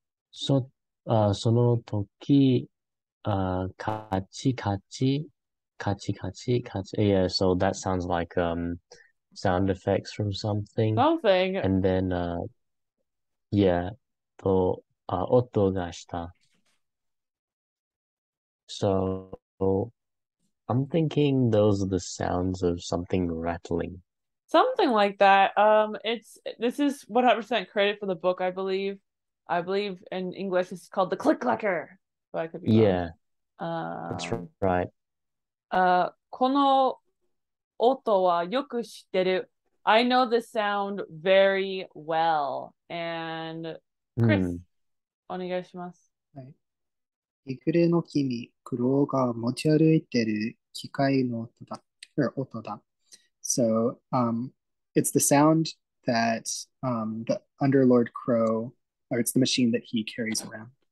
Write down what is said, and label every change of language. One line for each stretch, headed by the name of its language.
Japanese: その時、カチカチ、カチカチカチ。
English: Yeah, so that sounds like sound effects from something. Something. And then,
Japanese: 音がした。
English: So, I'm thinking those are the sounds of something rattling. Something like that. This is 100% credit for the book, I believe. I believe in English it's called the click clacker. But I could be wrong. Yeah. That's right.
Japanese: この音はよく知ってる。
English: I know this sound very well. And Chris,
Japanese: お願いします。イグレの君、クロウが持ち歩いてる機械の音だ。
English: So, it's the sound that the Underlord Crow, or it's the machine that he carries around.